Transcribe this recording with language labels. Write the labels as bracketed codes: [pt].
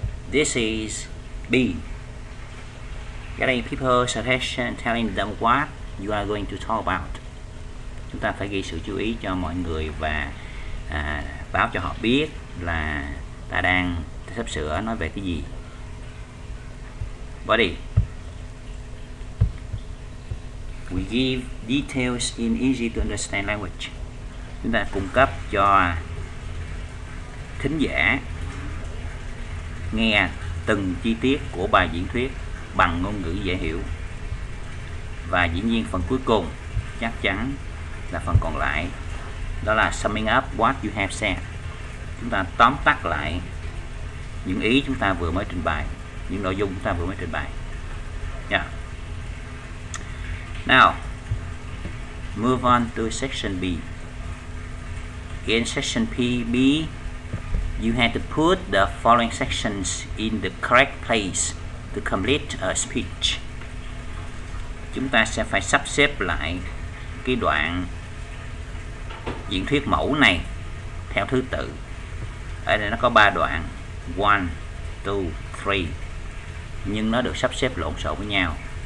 [en] This is B, getting people's attention, telling them what you are going to talk about. [vi] Chúng ta phải ghi sự chú ý cho mọi người và báo cho họ biết là ta đang sắp sửa nói về cái gì. [en] Body, we give details in easy to understand language. [vi] Chúng ta cung cấp cho thính giả nghe từng chi tiết của bài diễn thuyết bằng ngôn ngữ dễ hiểu. Và dĩ nhiên phần cuối cùng chắc chắn là phần còn lại, đó là [en] summing up what you have said. [vi] Chúng ta tóm tắt lại những ý chúng ta vừa mới trình bày, những nội dung chúng ta vừa mới trình bày. [en] Now move on to section B. In section B, you have to put the following sections in the correct place to complete a speech. [vi] Chúng ta sẽ phải sắp xếp lại cái đoạn diễn thuyết mẫu này theo thứ tự. Ở đây nó có 3 đoạn, 1, 2, 3, nhưng nó được sắp xếp lộn xộn với nhau.